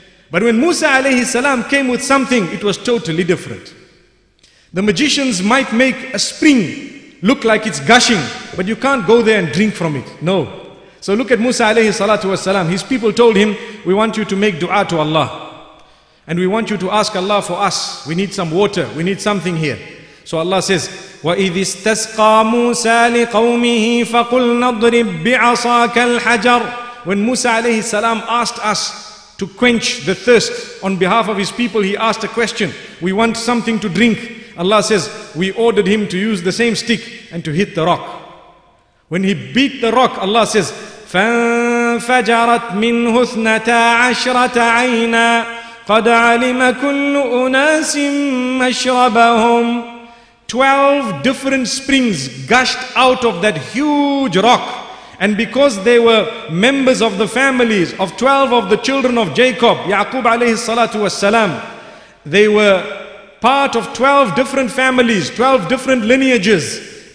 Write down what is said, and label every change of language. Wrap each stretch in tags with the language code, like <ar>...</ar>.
<en>But when Musa alayhi salam came with something, it was totally different. The magicians might make a spring look like it's gushing, but you can't go there and drink from it. No. So look at Musa alayhi salatu wa salam. His people told him, we want you to make dua to Allah. And we want you to ask Allah for us. We need some water. We need something here. So Allah says,</en> <ar>وَإِذِ اسْتَسْقَى مُوسَى لِقَوْمِهِ فَقُلْنَا اضْرِبْ بِعَصَاكَ الْحَجَرِ.</ar> <en>When Musa alayhi salam asked us to quench the thirst on behalf of his people, he asked a question. We want something to drink. Allah says, we ordered him to use the same stick and to hit the rock. When he beat the rock, Allah says,</en> <ar>فَانْفَجَرَتْ مِنْهُ اثْنَتَا عَشْرَةَ عَيْنًا قَدْ عَلِمَ كُلُّ أُنَاسٍ مَشْرَبَهُمْ.</ar> <en>12 different springs gushed out of that huge rock. And because they were members of the families of 12 of the children of Jacob, Yaqub alayhi salatu wasalam, they were part of 12 different families, 12 different lineages.</en>